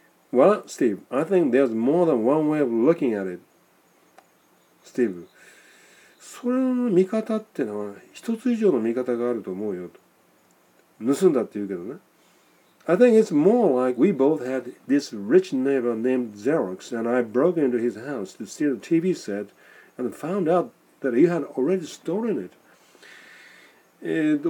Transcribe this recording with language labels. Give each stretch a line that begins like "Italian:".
English: Well, Steve, I think there's more than one way of looking at it.
Japanese: Steve, それの見方っていうのは、一つ以上の見方があると思うよと。盗んだって言うけどね。
English: I think it's more like we both had this rich neighbor named Xerox and I broke into his house to steal a TV set and found out that he had already stolen it.